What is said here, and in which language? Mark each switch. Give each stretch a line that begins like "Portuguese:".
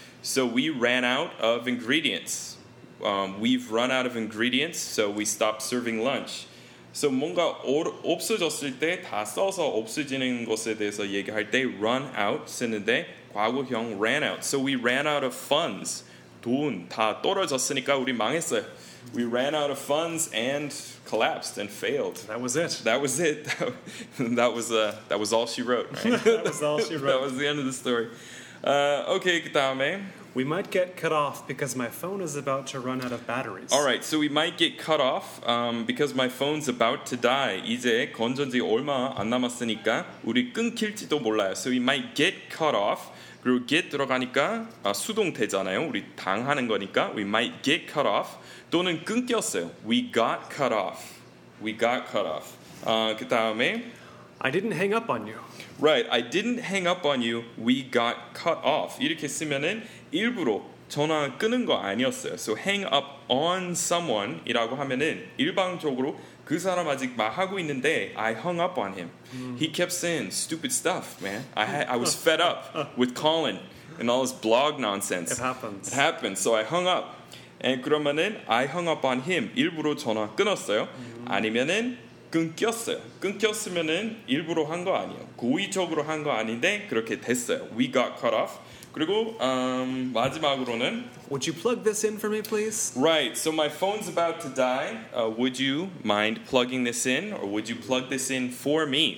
English: So we ran out of ingredients. We've run out of ingredients, so we stopped serving lunch.
Korean: So 뭔가 없어졌을 때 다 써서 없어지는 것에 대해서 얘기할 때
English: run out
Korean: 쓰는데 과거형
English: ran out. So we ran out of funds.
Korean: 돈 다 떨어졌으니까 우리 망했어요.
English: We ran out of funds and collapsed and failed. That was it. That was it. That was all she wrote. Right? That was all she wrote. That was the end of the story. Okay,
Korean: 그다음에.
English: We might get cut off because my phone is about to run out of batteries. All right, so we might get cut off because my phone's about to die.
Korean: 이제 건전지 얼마 안 남았으니까 우리 끊길지도 몰라요. So we might get cut off. 그리고 get 들어가니까 수동태잖아요. 우리 당하는 거니까
English: we might get cut off.
Korean: 또는 끊겼어요.
English: We got cut off. We got cut off.
Korean: 그다음에
English: I didn't hang up on you. Right. I didn't hang up on you. We got cut off.
Korean: 이렇게 쓰면은 일부러 전화 끊은 거 아니었어요.
English: So hang up on someone이라고
Korean: 하면은 일방적으로 그 사람 아직 말하고 있는데
English: I hung up on him. He kept saying stupid stuff, man. I was fed up with Colin and all his blog nonsense. It happens. It happens. So I hung up. And
Korean: 그러면은
English: I hung up on him.
Korean: 일부러 전화 끊었어요. 아니면은 끊겼어요. 끊겼으면은 일부러 한 거 아니에요. 고의적으로 한 거 아닌데 그렇게 됐어요.
English: We got cut off.
Korean: 그리고 마지막으로는
English: Would you plug this in for me, please? Right. So my phone's about to die. Would you mind plugging this in? Or would you plug this in for me?